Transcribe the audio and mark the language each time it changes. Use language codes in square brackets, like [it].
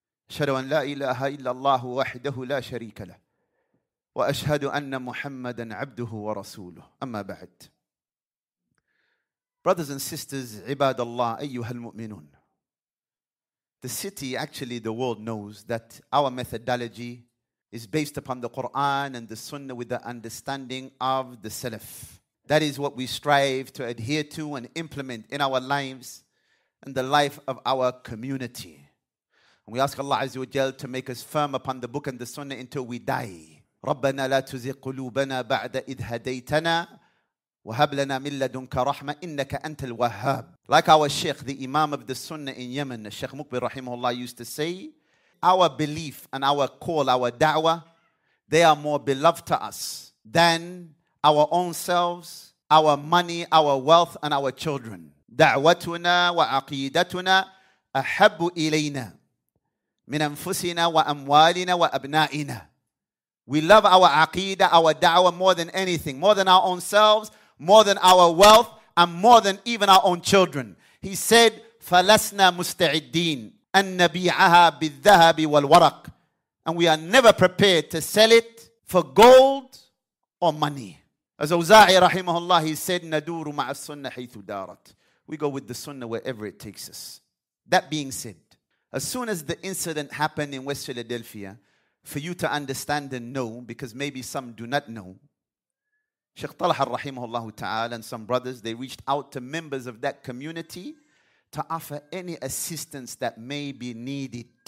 [ar] أشهد أن لا إله إلا الله وحده لا شريك له وأشهد أن محمدا عبده ورسوله أما بعد. [en] Brothers and sisters, [ar] عباد الله أيها المؤمنون. [en] The city, actually the world knows that our methodology is based upon the Quran and the Sunnah with the understanding of the Salaf. That is what we strive to adhere to and implement in our lives and the life of our community. And we ask Allah Azza wa Jal to make us firm upon the book and the Sunnah until we die. [ar] رَبَّنَا لَا تُزِقْ قُلُوبَنَا بَعْدَ إِذْ هَدَيْتَنَا وَهَبْ لَنَا مِنْ لَدُنْكَ رَحْمَةً إِنَّكَ أَنْتَ الْوَهَّابُ. [en] Like our Sheikh, the Imam of the Sunnah in Yemen, Sheikh Mukbir Rahimahullah used to say, our belief and our call, our da'wah, they are more beloved to us than our own selves, our money, our wealth, and our children. [ar] دَعْوَتُنَا وَعَقِيدَتُنَا أَحَبُّ إِلَيْنَا مِنْ أَنفُسِنَا وَأَمْوَالِنَا وَأَبْنَائِنَا. [en] We love our aqeedah, our da'wah more than anything, more than our own selves, more than our wealth, and more than even our own children. He said, [ar] فَلَسْنَا مُسْتَعِدِّينَ أَن نَبِيعَهَا بِالذَّهَبِ وَالْوَرَقِ. [en] And we are never prepared to sell it for gold or money. As Awza'i rahimahullah, he said, [ar] نَدُورُ مَعَ السُنَّةِ حَيْثُ دَارَتْ. [en] We go with the sunnah wherever it takes us. That being said, as soon as the incident happened in West Philadelphia, for you to understand and know, because maybe some do not know, Sheikh Talha rahimahullah ta'ala and some brothers, they reached out to members of that community to offer any assistance that may be needed.